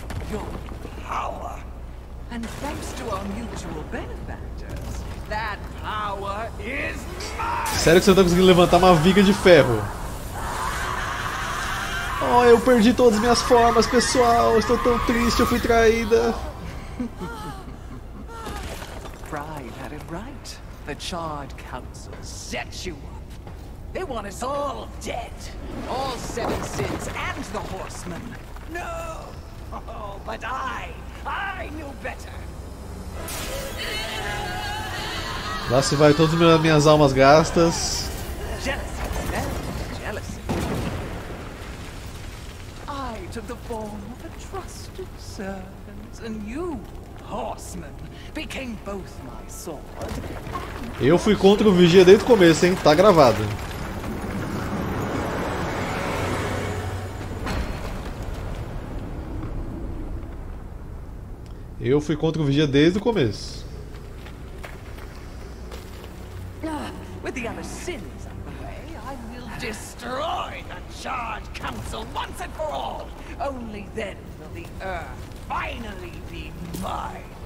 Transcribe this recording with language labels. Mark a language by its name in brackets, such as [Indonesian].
[English] your power, and thanks to our mutual benefactors, that power is mine. [Portuguese] Sério que você não tá conseguindo levantar uma viga de ferro? Oh, eu perdi todas as minhas formas, pessoal. Estou tão triste, eu fui traída. [English] Pride had it right. The Charred Council set you up. They want us all dead. All seven sins and the horsemen. No! Oh, but I knew better. [Portuguese] Lá se vai todas as minhas almas gastas. [English] Jealousy, né? Jealousy. I took the form of a trusted servant, and you, horseman, became both my sword. [Portuguese] Eu fui contra o Vigia desde o começo, hein? Tá gravado. Eu fui contra o Vigia desde o começo. [English] With the other sins out of the way, I will destroy the Charred Council once and for all. Only then will the earth finally be mine.